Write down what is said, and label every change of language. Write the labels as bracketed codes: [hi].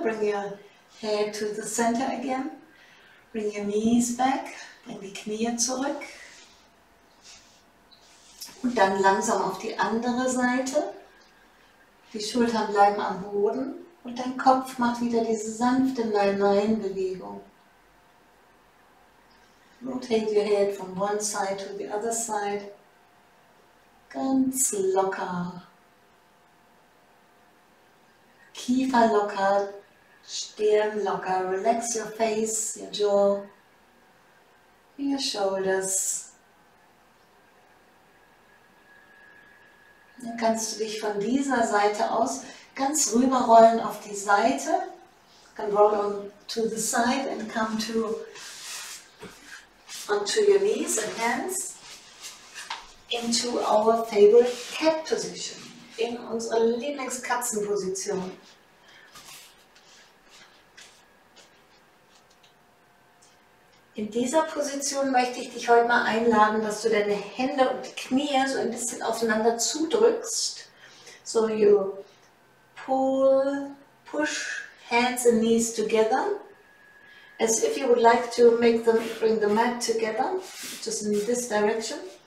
[en] Bring your head to the center again. Bring your knees back. [de] Bring die Knie zurück. Und dann langsam auf die andere Seite. Die Schultern bleiben am Boden. Und dein Kopf macht wieder diese sanfte Nein-Nein-Bewegung. [en] Rotate your head from one side to the other side. [de] Ganz locker. Kiefer locker, Stirn locker, [en] relax your face, your jaw, your shoulders. [de] Dann kannst du dich von dieser Seite aus ganz rüberrollen auf die Seite. [en] You can roll on to the side and come to onto your knees and hands into our favorite cat position, [de] in unsere Lieblingskatzenposition. In dieser Position möchte ich dich heute mal einladen, dass du deine Hände und Knie so ein bisschen aufeinander zudrückst. [en] So you push hands and knees together, as if you would like to make them bring the mat together, just in this direction.